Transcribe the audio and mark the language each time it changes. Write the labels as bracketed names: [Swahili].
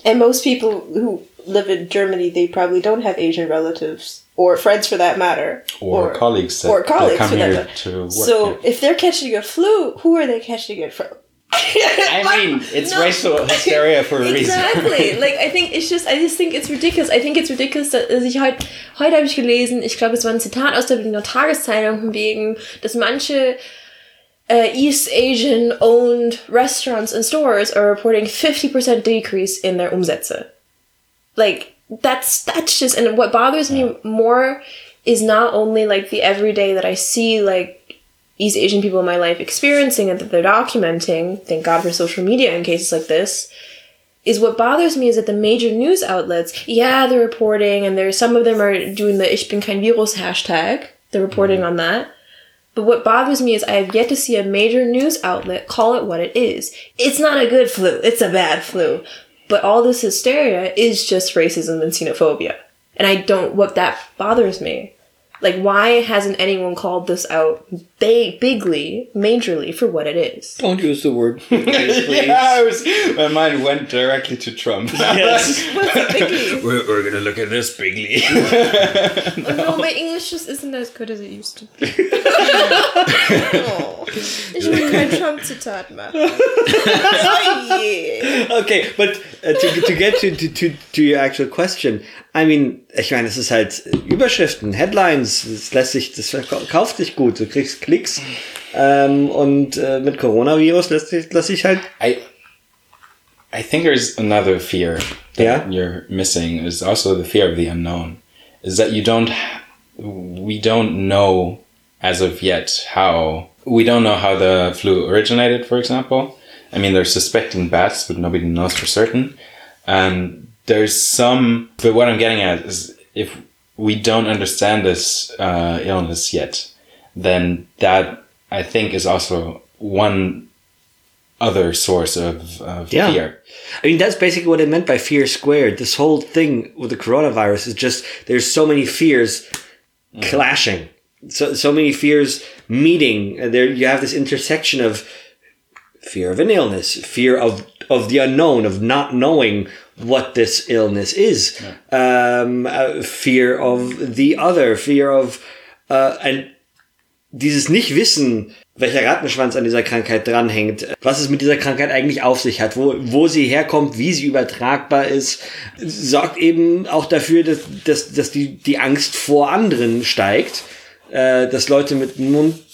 [English] And most people who live in Germany, they probably don't have Asian relatives or friends for that matter. Or colleagues come here to work. So if they're catching a flu, who are they catching it from? I mean, it's not racial hysteria for a reason. Exactly. Like, I just think it's ridiculous. I think it's ridiculous, [German] dass ich heute habe ich gelesen, ich glaube, es war ein Zitat aus der Berliner Tageszeitung, von wegen, dass manche [English] East Asian-owned restaurants and stores are reporting 50% decrease in their [German] Umsätze. [English] Like, that's just... And what bothers me more is not only, like, the everyday that I see, like, East Asian people in my life experiencing it, that they're documenting, thank God for social media in cases like this, is what bothers me is that the major news outlets, yeah, they're reporting, and there's some of them are doing the [German] Ich bin kein Virus [English] hashtag, they're reporting on that. But what bothers me is I have yet to see a major news outlet call it what it is. It's not a good flu, it's a bad flu. But all this hysteria is just racism and xenophobia. And I don't, what that bothers me. Like, why hasn't anyone called this out bigly, majorly, for what it is? Don't use the word bigly, please. Yeah, my mind went directly to Trump. Yes. What's bigly? We're going to look at this bigly. No. Oh, no, my English just isn't as good as it used to be. [German] Ich will kein Trump-Zitat machen. [English] Oh, yeah. Okay, but to get to your actual question, I mean, [German] ich meine, es ist halt Überschriften, Headlines, es lässt sich, das verkauft sich gut, du kriegst Klicks, und mit Coronavirus lässt sich halt... [English] I think there's another fear that you're missing, is also the fear of the unknown, is that we don't know the flu originated, for example. I mean, they're suspecting bats, but nobody knows for certain. And there's some... But what I'm getting at is if we don't understand this illness yet, then that, I think, is also one other source of fear. I mean, that's basically what it meant by fear squared. This whole thing with the coronavirus is just there's so many fears clashing. So many fears meeting. There you have this intersection of fear of [German] an illness, fear of the unknown, of not knowing what this illness is, fear of the other, fear of and dieses nicht wissen, welcher Rattenschwanz an dieser Krankheit dranhängt, was es mit dieser Krankheit eigentlich auf sich hat, wo sie herkommt, wie sie übertragbar ist, sorgt eben auch dafür, dass die Angst vor anderen steigt, dass Leute mit Mund